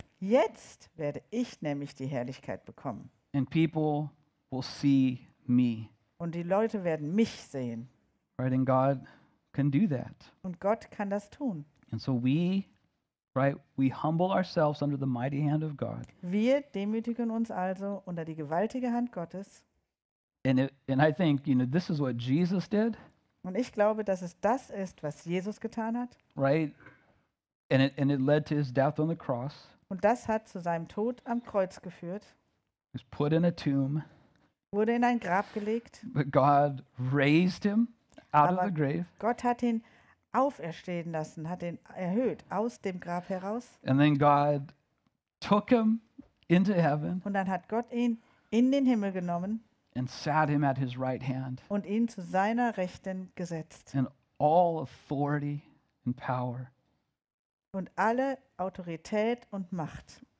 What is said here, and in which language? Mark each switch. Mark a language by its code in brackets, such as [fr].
[de] Jetzt werde ich nämlich die Herrlichkeit bekommen. [en] And people will see me. [de] Und die Leute werden mich sehen. [en] Right, and God can do that. [de] Und Gott kann das tun. [en] And so we humble ourselves under the mighty hand of God. [de] Wir demütigen uns also unter die gewaltige Hand Gottes. [en] And I think, you know, this is what Jesus did. [de] Und ich glaube, dass es das ist, was Jesus getan hat. [en] Right? And it led to his death on the cross. [de] Und das hat zu seinem Tod am Kreuz geführt. [en] He was put in a tomb. [de] Wurde in ein Grab gelegt. [en] But God raised him out of the grave. [de] Gott hat ihn auferstehen lassen, hat ihn erhöht aus dem Grab heraus. [en] And then God took him into heaven. [de] Und dann hat Gott ihn in den Himmel genommen. [en] And sat him at his right hand. [de] Und ihn zu seiner Rechten gesetzt. [en] And all authority and power. [de] Und alle Autorität und Macht,